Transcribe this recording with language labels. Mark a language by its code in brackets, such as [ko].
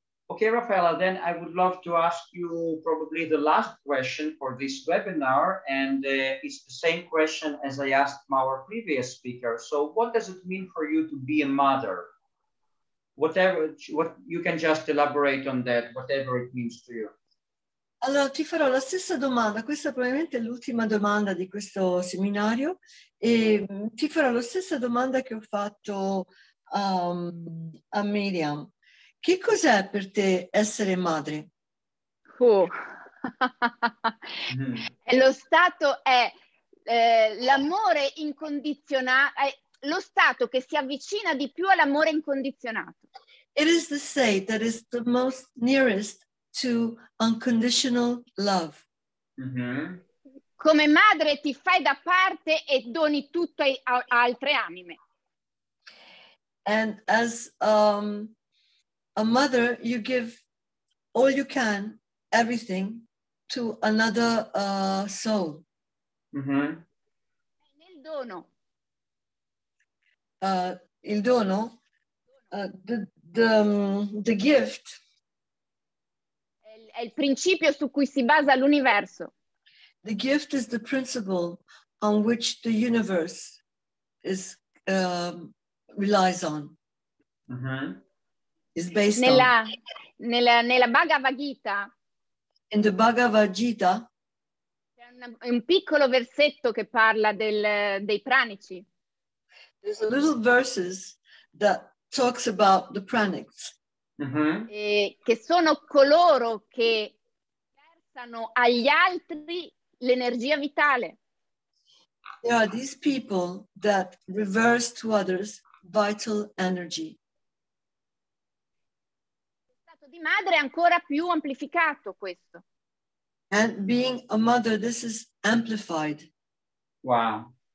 [en] Okay, Raffaella, then I would love to ask you probably the last question for this webinar, and it's the same question as I asked our previous speaker. So what does it mean for you to be a mother? Whatever you can just elaborate on that, whatever it means to you. [it] Allora, ti farò la stessa domanda. Questa probabilmente è l'ultima domanda di questo seminario. E ti farò la stessa domanda che ho fatto a Miriam. Che cos'è per te essere madre? Oh. mm. Lo stato è l'amore incondizionato. Lo stato che si avvicina di più all'amore incondizionato. [en] It is the state that is the most nearest to unconditional love. Mm-hmm. [it] Come madre ti fai da parte e doni tutto a altre anime. [en] And as a mother, you give all you can, everything, to another soul. Mm-hmm. [it] Nel dono. Il dono, [en] the gift. [it] È il principio su cui si basa l'universo. [en] The gift is the principle on which the universe is relies on. Mm-hmm. Is based [it] nella Bhagavad Gita. [en] In the Bhagavad Gita. [it] C'è un un piccolo versetto che parla del dei pranici. [en] There's a little verses that talks about the pranics. Mm-hmm. [it] E che sono coloro che versano agli altri l'energia vitale. [en] There are these people that reverse to others vital energy. [it] Di madre è ancora più amplificato questo. [en] And being a mother, this is amplified. Wow. Mm.